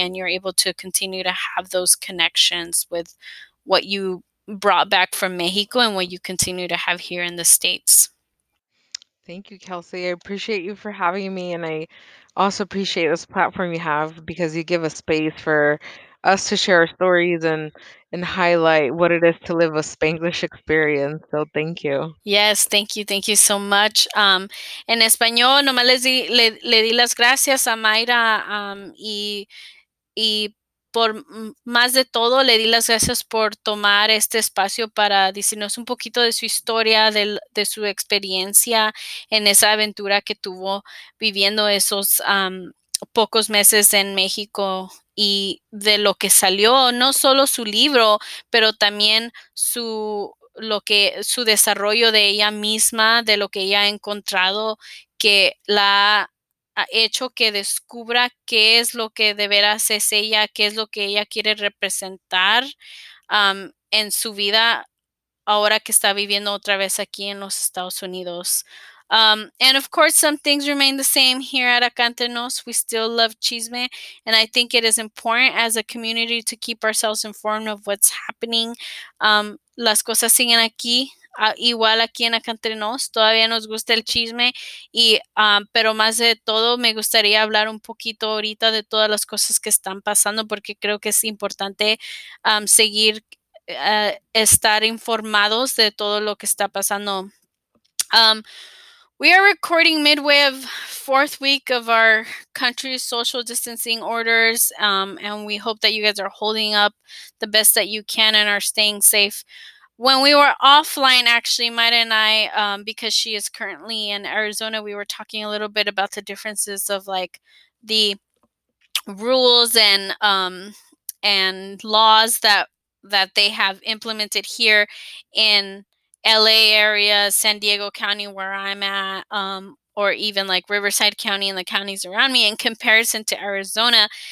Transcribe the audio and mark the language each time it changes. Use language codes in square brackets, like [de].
[en] And you're able to continue to have those connections with what you brought back from Mexico and what you continue to have here in the States. Thank you, Kelsey. I appreciate you for having me. And I also appreciate this platform you have because you give a space for us to share our stories and highlight what it is to live a Spanglish experience. So thank you. Yes, thank you. Thank you so much. [es] En español, nomás le di las gracias a Mayra y por más de todo, le di las gracias por tomar este espacio para decirnos un poquito de su historia, de su experiencia en esa aventura que tuvo viviendo esos pocos meses en México y de lo que salió, no solo su libro, pero también su desarrollo de ella misma, de lo que ella ha encontrado que la ha hecho que descubra qué es lo que de veras es ella, qué es lo que ella quiere representar en su vida ahora que está viviendo otra vez aquí en los Estados Unidos. [en] And of course, some things remain the same here at Acántenos. We still love chisme, and I think it is important as a community to keep ourselves informed of what's happening. [es] Las cosas siguen aquí. Igual aquí en Acántenos, todavía nos gusta el chisme, pero más de todo me gustaría hablar un poquito ahorita de todas las cosas que están pasando porque creo que es importante seguir estar informados de todo lo que está pasando. [en] We are recording midway of fourth week of our country's social distancing orders, and we hope that you guys are holding up the best that you can and are staying safe. When we were offline, actually, Mayra and I, because she is currently in Arizona, we were talking a little bit about the differences of, like, the rules and laws that they have implemented here in LA area, San Diego County, where I'm at, or even, like, Riverside County and the counties around me in comparison to Arizona.